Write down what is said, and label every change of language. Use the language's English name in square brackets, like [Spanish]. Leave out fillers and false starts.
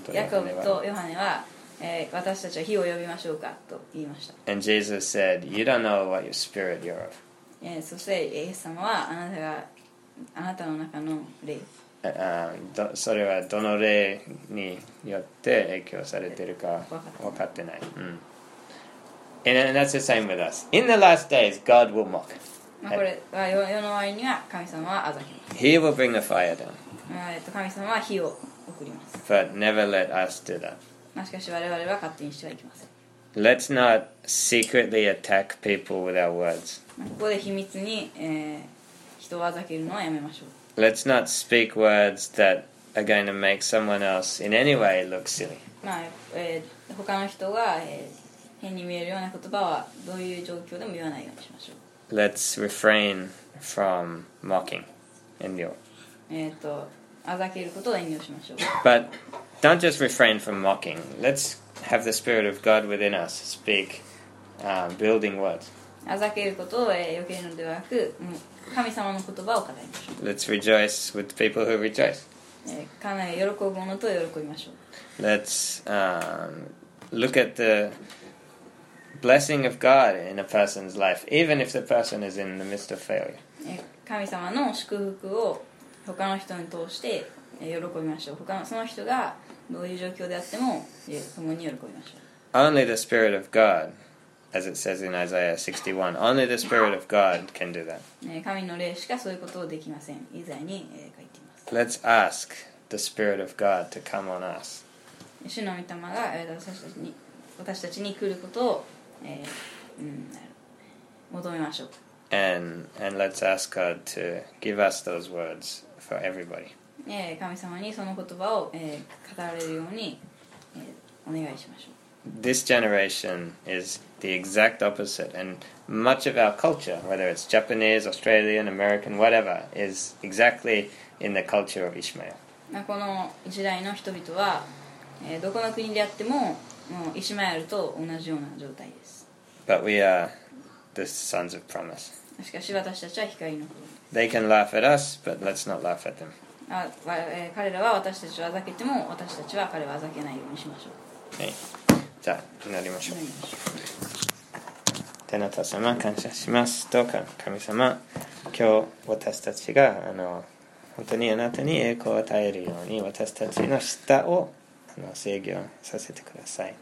[Japanese] ヤコブとヨハネは、私たちは火を呼びましょうかと言いました。 [English] And Jesus said, "You don't know what your spirit you're of." [Japanese] そしてイエス様はあなたの中の霊。それはどの霊によって影響されているか分かってない。 [English] うん。And that's the same with us. In the last days, God will mock. [Japanese] まあこれは世の終わりには神様はあざけます。 [English] He will bring the fire down. [Japanese] 神様は火を [English] But never let us do that. [Japanese] しかし我々は勝手にしてはいけません。 [English] Let's not secretly attack people with our words. [Japanese] ここで秘密に、人をあざけるのはやめましょう。 [English] Let's not speak words that are going to make someone else in any way look silly. [Japanese] まあ、他の人が、変に見えるような言葉はどういう状況でも言わないようにしましょう。 [English] Let's refrain from mocking and your. [Japanese] あざけることを遠慮しましょう。 [English] But don't just refrain from mocking. Let's have the Spirit of God within us speak, building words. [Japanese] あざけることを避けるのではなく、神様の言葉を語りましょう。 [English] Let's rejoice with the people who rejoice. [Japanese] 神様を喜ぶ者と喜びましょう。 [English] Let's, look at the blessing of God in a person's life, even if the person is in the midst of failure. [Japanese] 神様の祝福を他の人に通して喜びましょう。その人がどういう状況であっても共に喜びましょう。 [English] Only the Spirit of God, as it says in Isaiah 61, only the Spirit of God can do that. [Japanese] 神の霊しかそういうことをできません。イザヤに書いています。 [English] Let's ask the Spirit of God to come on us. [Japanese] 主の御霊が私たちに来ることを、求めましょう。 [English] And let's ask God to give us those words for everybody. [Japanese] 神様にその言葉を語られるようにお願いしましょう。 [English] This generation is the exact opposite, and much of our culture, whether it's Japanese, Australian, American, whatever, is exactly in the culture of Ishmael. [Japanese] この時代の人々はどこの国であってももうイシマエルと同じような状態です。 [English] But we are the sons of promise. [Japanese] しかし私たちは光の子です。 [English] They can laugh at us, but let's not laugh at them. [Japanese] 彼らは私たちをあざけても、私たちは彼をあざけないようにしましょう。はい。じゃあ、祈りましょう。天の父様、感謝します。どうか、神様、今日私たちが本当にあなたに栄光を与えるように、私たちの舌を制御させてください。